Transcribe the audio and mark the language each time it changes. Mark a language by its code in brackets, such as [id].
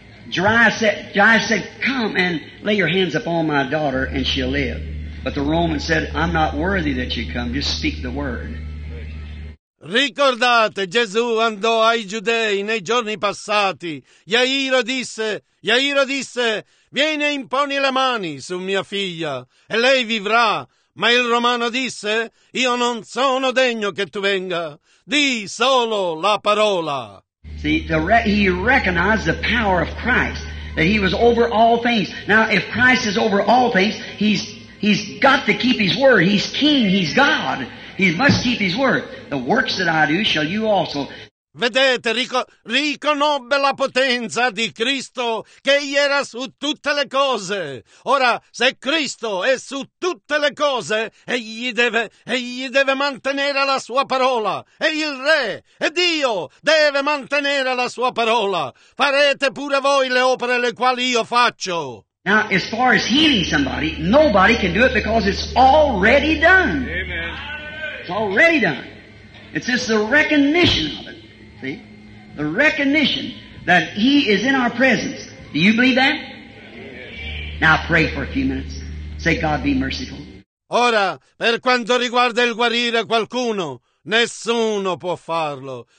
[en] Jairus said, come and lay your hands upon my daughter and she'll live. But the Roman said, I'm not worthy that you come, just speak the word. [it] Ricordate, Gesù andò ai giudei nei giorni passati. Jairo disse, vieni e imponi le mani su mia figlia e lei vivrà. Ma il romano disse, io non sono degno che tu venga. Di solo la parola. [en] He recognized the power of Christ, that he was over all things. Now, if Christ is over all things, he's got to keep his word. He's king, he's God. He must keep his word. The works that I do shall you also. [it] Vedete, riconobbe la potenza di Cristo, che egli era su tutte le cose. Ora, se Cristo è su tutte le cose, egli deve mantenere la sua parola. E il Re, e Dio, deve mantenere la sua parola. Farete pure voi le opere le quali io faccio. [en] Now, as far as healing somebody, nobody can do it because it's already done. Amen. It's already done. It's just the recognition of it. See? The recognition that he is in our presence. Do you believe that? Yes. Now pray for a few minutes. Say, God be merciful. [it] Ora, per quanto riguarda il guarire qualcuno, nessuno può farlo.